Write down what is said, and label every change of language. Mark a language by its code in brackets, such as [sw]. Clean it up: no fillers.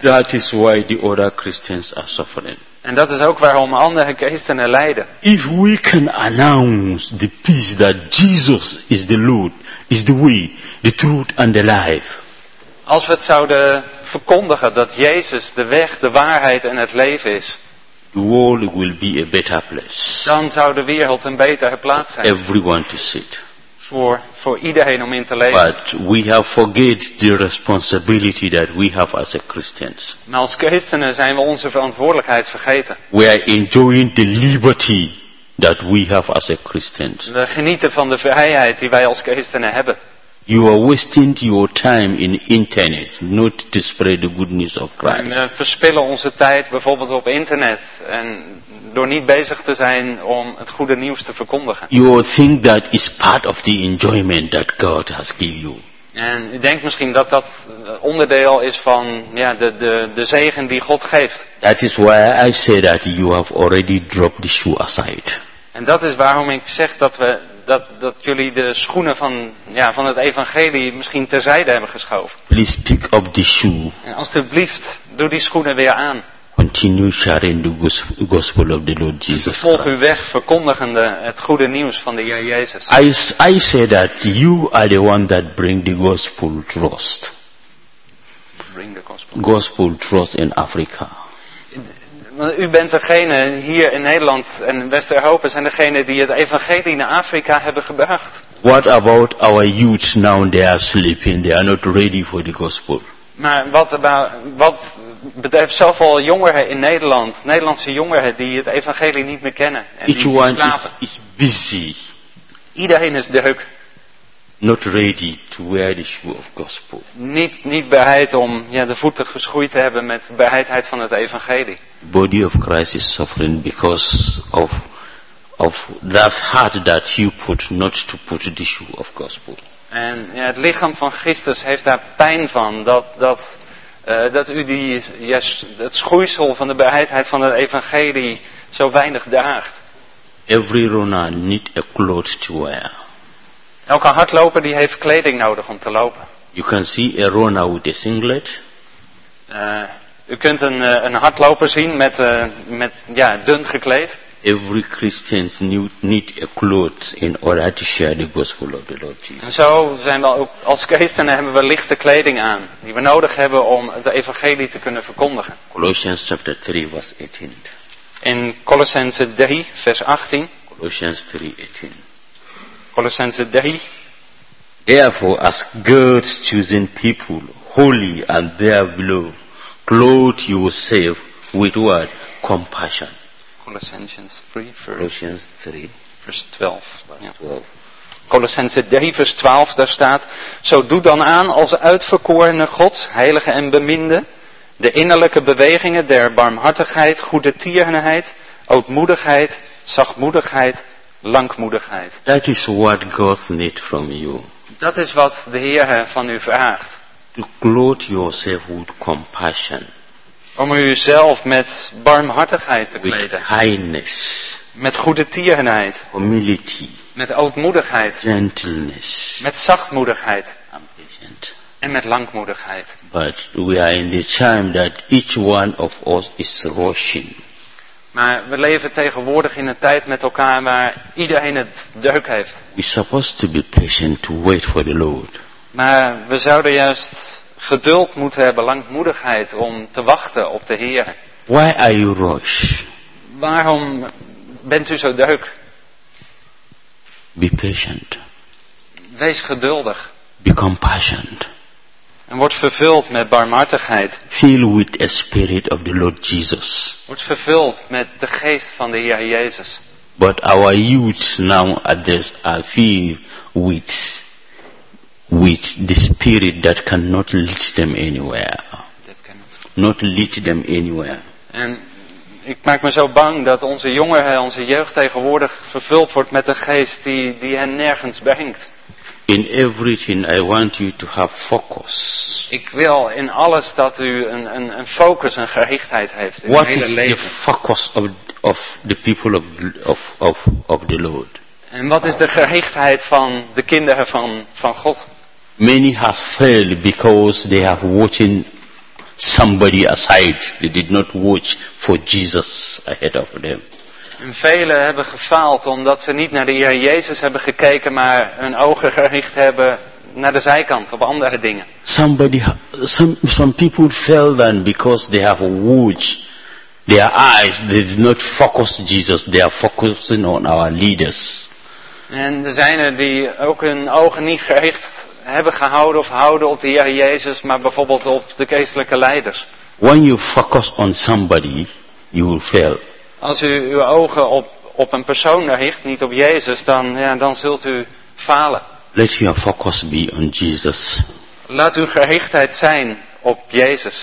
[en] That is why the other Christians are suffering. [nl] En dat is ook waarom andere christenen lijden. [en] If we can announce the peace that Jesus is the Lord, is the way, the truth and the life. [nl] Als we het zouden verkondigen dat Jezus de weg, de waarheid en het leven is, [en] the world will be a better place. [nl] Dan zou de wereld een betere plaats zijn. [en] Everyone to sit. [nl] Voor iedereen om in te leven. [en] But we have forget the responsibility that we have as a Christians. [nl] Maar als christenen zijn we onze verantwoordelijkheid vergeten. [en] We are enjoying the liberty that we have as a Christians. [nl] We genieten van de vrijheid die wij als christenen hebben. [en] You are wasting your time in internet, not to spread the goodness of Christ. [nl] We verspillen onze tijd bijvoorbeeld op internet en door niet bezig te zijn om het goede nieuws te verkondigen. [en] You think that is part of the enjoyment that God has given you. [nl] En u denkt misschien dat dat onderdeel is van de zegen die God geeft. [en] That is why I say that you have already dropped the shoe aside. [nl] En dat is waarom ik zeg dat we dat jullie de schoenen van het evangelie misschien terzijde hebben geschoven. [en] Please pick up the shoe. [nl] En alsjeblieft, doe die schoenen weer aan. [en] Continue sharing the gospel of the Lord Jesus. [nl] Volg uw weg, verkondigende het goede nieuws van de Heer Jezus. [en] I say that you are the one that bring the gospel trust. Bring the gospel. Gospel trust in Africa. [nl] U bent degene hier in Nederland en West-Europa zijn degene die het evangelie naar Afrika hebben gebracht. [en] What about our youth now? They are sleeping. They are not ready for the gospel. [nl] Maar wat betreft zelf al jongeren in Nederland, Nederlandse jongeren die het evangelie niet meer kennen en [en] each [nl] die [en] one [nl] slapen. [en] Is busy. [nl] Iedereen is druk. [en] Not ready to wear the shoe of gospel. [nl] Niet bereid om de voeten geschoeid te hebben met bereidheid van het evangelie. [en] The body of Christ is suffering because of that heart that you put not to put the shoe of gospel. [nl] En het lichaam van Christus heeft daar pijn van dat u het schoeisel van de bereidheid van het evangelie zo weinig draagt. [en] Every runner need a cloth to wear. [nl] Elke hardloper die heeft kleding nodig om te lopen. [en] You can see a runner with a singlet. [nl] U kunt een hardloper zien met dun gekleed. [en] Every Christian need a cloth in order to share the gospel of the Lord Jesus. [nl] En zo zijn we ook als christenen hebben we lichte kleding aan die we nodig hebben om het evangelie te kunnen verkondigen. [en] Colossians chapter 3 verse 18. [nl] In Colossense 3 vers 18. [en] Colossians 3 18. Colossians 3. Therefore, as God's chosen people, holy and there below, clothe yourself with what? Compassion. [nl] Colossenzen 3 vers 12, daar staat: zo doe dan aan als uitverkorene Gods, heilige en beminde, de innerlijke bewegingen der barmhartigheid, goede tierenheid, ootmoedigheid, zachtmoedigheid, langmoedigheid. [en] That is what God needs from you. [nl] Dat is wat de Heer van u vraagt. [en] To clothe yourself with compassion. [nl] Om u zelf met barmhartigheid te kleden. [en] With kindness. [nl] Met goede tierenheid. [en] Humility. [nl] Met ootmoedigheid. [en] Gentleness. [nl] Met zachtmoedigheid. [en] I'm patient. [nl] En met langmoedigheid. [en] But we are in the time that each one of us is rushing. [nl] Maar we leven tegenwoordig in een tijd met elkaar waar iedereen het druk heeft. [en] We're supposed to be patient to wait for the Lord. [nl] Maar we zouden juist geduld moeten hebben, langmoedigheid om te wachten op de Heer. [en] Why are you rush? [nl] Waarom bent u zo druk? [en] Be patient. [nl] Wees geduldig. [en] Be compassionate. [nl] En wordt vervuld met barmhartigheid. [en] Fill with the spirit of the Lord Jesus. [nl] Wordt vervuld met de geest van de Heer Jezus. [en] But our youths now at this are filled with the spirit that cannot lead them anywhere. That cannot. Not lead them anywhere. [nl] En ik maak me zo bang dat onze jongeren, onze jeugd tegenwoordig vervuld wordt met een geest die hen nergens brengt. In everything I want you to have focus. Ik wil in alles dat u een focus, een gerichtheid heeft in het hele leven. [en] What is the focus of the people of the Lord? [nl] En wat is de gerichtheid van de kinderen van God? [en] Many have failed because they have watching somebody aside. They did not watch for Jesus ahead of them. [nl] En velen hebben gefaald omdat ze niet naar de Heer Jezus hebben gekeken, maar hun ogen gericht hebben naar de zijkant, op andere dingen. [en] Some people fell then because they have watched their eyes, they did not focus Jesus, they are focusing on our leaders. [nl] En er zijn er die ook hun ogen niet gericht hebben gehouden of houden op de Heer Jezus, maar bijvoorbeeld op de geestelijke leiders. [en] When you focus on somebody, you will fail. [nl] Als u uw ogen op een persoon richt, niet op Jezus, dan, ja, dan zult u falen. [en] Let your focus be on Jesus. [nl] Laat uw gerichtheid zijn op Jezus.